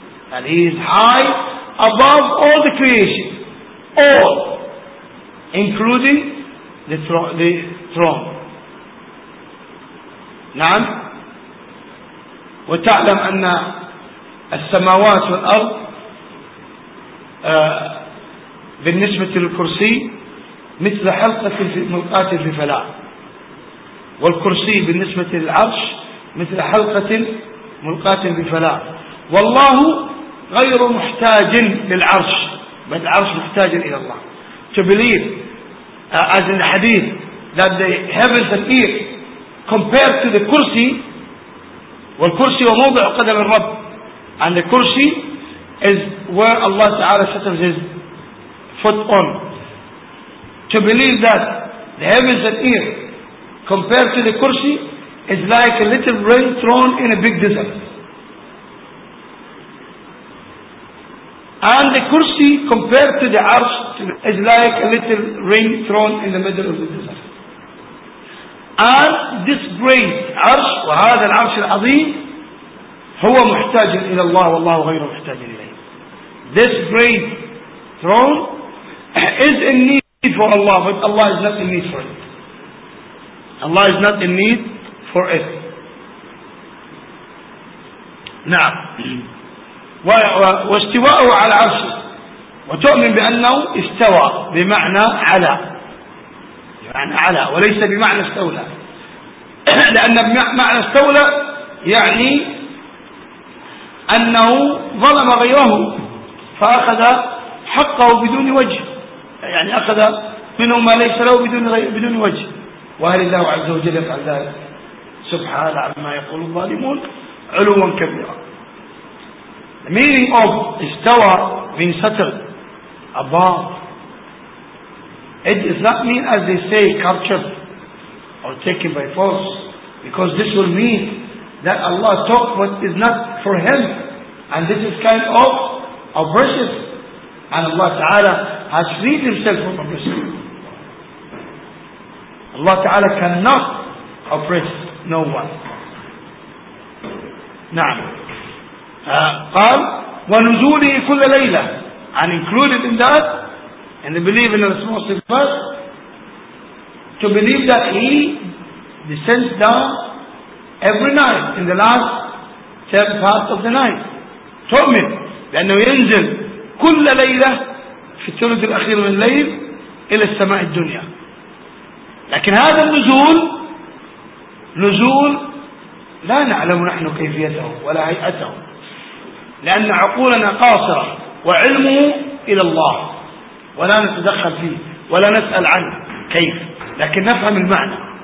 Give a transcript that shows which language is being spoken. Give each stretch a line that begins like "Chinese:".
English: That he is high above all the creation, all, including the throne.
Arabic: نعم وتعلم أن السماوات والأرض بالنسبة للكرسي مثل حلقة في ملقاة في فلاة والكرسي بالنسبة للعرش مثل حلقة ملقاة في فلاة والله غير محتاج للعرش بل العرش محتاج إلى الله.
English: To believe as in the hadith that the heavens and earth compared to the kursi,
Arabic: والكرسي وموضع قدم الرب,
English: and the kursi is where Allah Ta'ala settles his foot on. To believe that the heavens and earth compared to the kursi is like a little rain thrown in a big desert, and the kursi compared to the arsh is like a little rain thrown in the middle of the desert. And this great
Arabic: عرش وهذا العرش العظيم هو محتاج إلى الله والله غير محتاج إليه.
English: This great throne is in need for Allah, but Allah is not in need for it. Allah is not in need for it.
Arabic: نعم. واستواءه على العرش وتؤمن بأنه استوى بمعنى على, يعني على وليس بمعنى استولى, لأن معنى استولى يعني أنه ظلم غيره فأخذ حقه بدون وجه, يعني أخذ منه ما ليس له بدون وجه. وهل الله عز وجل يفعل ذلك؟ سبحانه عما يقول الظالمون علوا كبيرا.
English: The meaning of استوى means settled above. It does not mean as they say captured or taken by force, because this will mean that Allah took what is not for him, and this is kind of oppression, and Allah Ta'ala has freed himself from oppression. Allah Ta'ala cannot oppress no one.
Arabic: نعم قال ونزوله كل ليلة,
English: and included in that, and the belief in the responsible verse, to believe that he descends down every night in the last third part of the night.
Arabic: تؤمن لأنه ينزل كل ليلة في الثلث الأخير من الليل إلى السماء الدنيا. لكن هذا النزول نزول لا نعلم نحن كيفيته ولا هيئته, لأن عقولنا قاصرة وعلمه إلى الله ولا نتدخل فيه ولا نسأل عنه كيف, لكن نفهم المعنى.